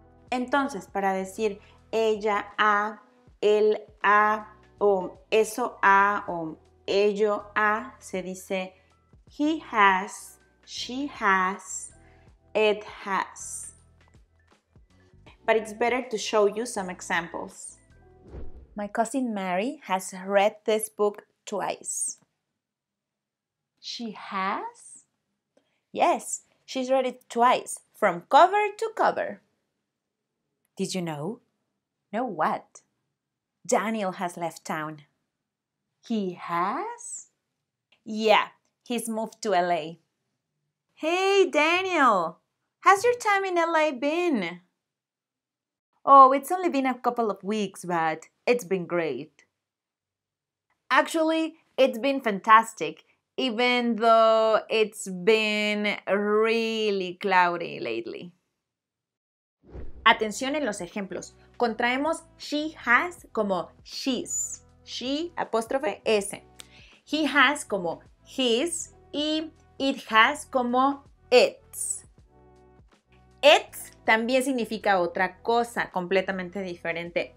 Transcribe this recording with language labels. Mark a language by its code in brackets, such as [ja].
[es] Entonces, para decir ella ha, él ha, o eso ha, o ello ha, se dice [en] he has, she has, it has. But it's better to show you some examples. My cousin Mary has read this book twice. She has? Yes, she's read it twice, from cover to cover. Did you know? Know what? Daniel has left town. He has? Yeah, he's moved to LA. Hey, Daniel! How's your time in LA been? Oh, it's only been a couple of weeks, but it's been great. Actually, it's been fantastic, even though it's been really cloudy lately. [es] Atención en los ejemplos. Contraemos she has como she's, she apóstrofe s. He has como his y it has como its. Its también significa otra cosa completamente diferente.